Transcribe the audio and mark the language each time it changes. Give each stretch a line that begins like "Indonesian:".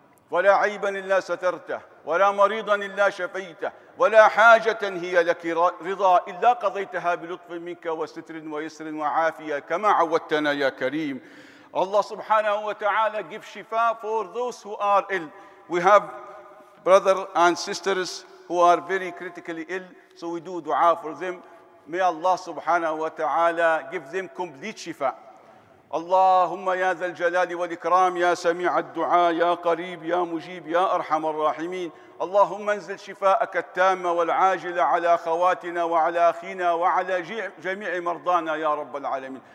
Arabic: ولا عيبا إلا سترته ولا مريضا إلا شفيته ولا حاجة هي لك رضا إلا قضيتها بلطف منك وستر ويسر وعافية كما عودتنا يا كريم.
English: الله سبحانه وتعالى give شفاء for those who are ill. We have brother and sisters who are very critically ill, so we do dua for them. May Allah سبحانه وتعالى give them complete شفاء.
Arabic: اللهم يا ذا الجلال والإكرام يا سميع الدعاء يا قريب يا مجيب يا أرحم الراحمين. اللهم انزل شفاءك التام والعاجل على خواتنا وعلى أخينا وعلى جميع مرضانا يا رب العالمين.